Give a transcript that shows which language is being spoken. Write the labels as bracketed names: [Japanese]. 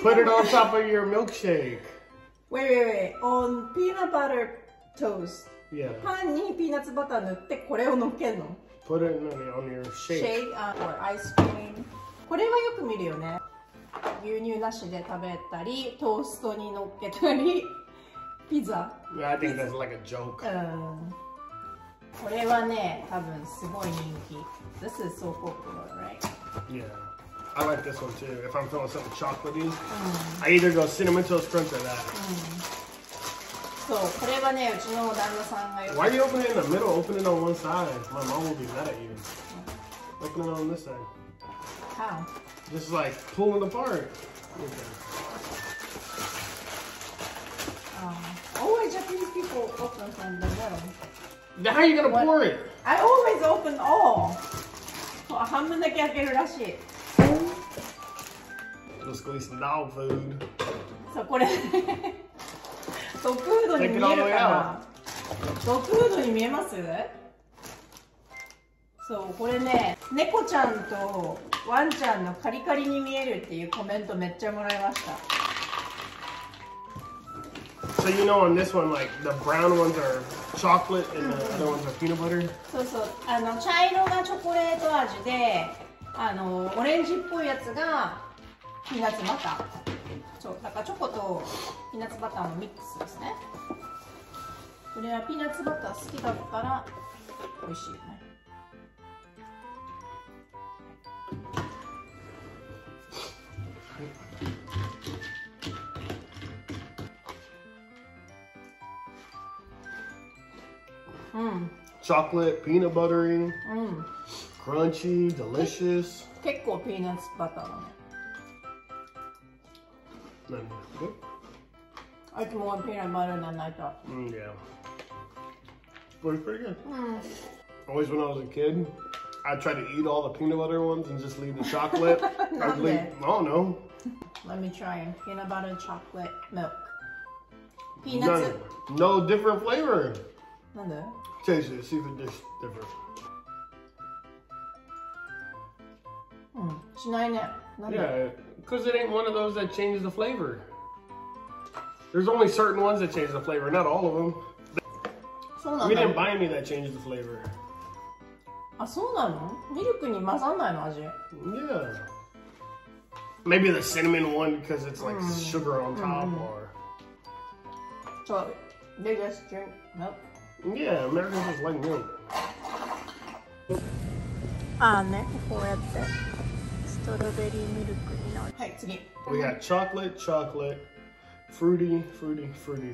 [English] Put it on top of your milkshake. Wait. On peanut butter toast. Yeah. [Japanese] パンにピーナッツバター塗ってこれを乗っけるの。 [English] Put it on your shake. Shake or ice cream. [Japanese] これはよく見るよね。牛乳なしで食べたり、トーストに乗っけたり、ピザ。 [English] Yeah, I think that's like a joke. [Japanese] これはね、多分すごい人気。 [English] This is so popular, right? Yeah, I like this one too. If I'm feeling something chocolatey,、mm. I either go cinnamon toast crunch or that.、Mm. [Japanese] So, これはね、うちの旦那さんが。 [English] Why are you opening in the middle? Open it on one side. My mom will be mad at you. Open it on this side. How? Just like pulling apart. Okay. Always Japanese people open from the middle. How are you gonna、What? Pour it? I always open all. [Japanese] 半分だけ開けるらしい。 [English] Let's go eat some dog food. [Japanese] そう、これ。ドッグフードに見えるかな？ドッグフードに見えます？そう、これね、猫ちゃんとワンちゃんのカリカリに見えるっていうコメントめっちゃもらいました。 [English] So you know on this one, like the brown ones are chocolate and the other ones are peanut butter? [Japanese] そうそう、あの茶色がチョコレート味で、あのオレンジっぽいやつがピーナッツバター。そう、だからチョコとピーナッツバターのミックスですね。これはピーナッツバター好きだったら美味しいよね。 Chocolate, peanut buttery,、mm. crunchy, delicious. 結構ピーナッツバターだね。 [English] Then, I like more peanut butter than I thought. Yeah. But it's pretty good.、Mm. Always when I was a kid, I tried to eat all the peanut butter ones and just leave the chocolate. Not leave, yet. I don't know. Let me try peanut butter, chocolate, milk. Peanuts? No different flavor. [Japanese] なんで? [English] Taste it, see if it's different. [Japanese] しないね。 [English] Yeah, because it ain't one of those that changes the flavor. There's only certain ones that change the flavor, not all of them. We didn't buy any that changes the flavor. [Japanese] あ、そうなの? ミルクに混ざんないの味? [English] Yeah. Maybe the cinnamon one because it's like sugar on top or... So, biggest drink, nope. Yeah, Americans just like milk. [Japanese] Ah, ね、こうやってストロベリーミルクになる。はい、次。 [English] We got chocolate, chocolate, fruity, fruity, fruity.